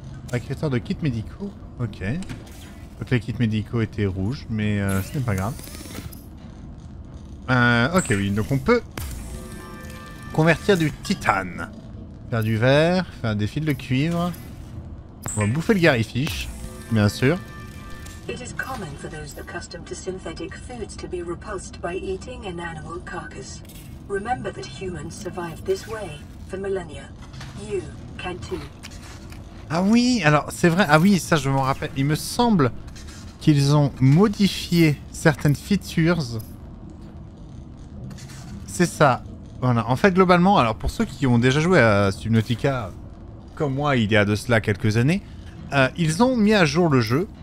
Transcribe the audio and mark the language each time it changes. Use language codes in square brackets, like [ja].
[fr] Récréateur de kits médicaux. Ok. Donc les kits médicaux étaient rouges, mais ce n'est pas grave. Ok, oui, donc on peut convertir du titane. Faire du verre, faire des fils de cuivre. On va bouffer le Gary Fish, bien sûr. [en] It is common for those accustomed to synthetic foods to be repulsed by eating an animal carcass. Remember that humans survived this way for millennia. You can too. [fr] Ah oui, alors c'est vrai. Ah oui, ça je m'en rappelle. Il me semble qu'ils ont modifié certaines features. C'est ça. Voilà. En fait, globalement, alors pour ceux qui ont déjà joué à Subnautica, comme moi, il y a de cela quelques années, ils ont mis à jour le jeu.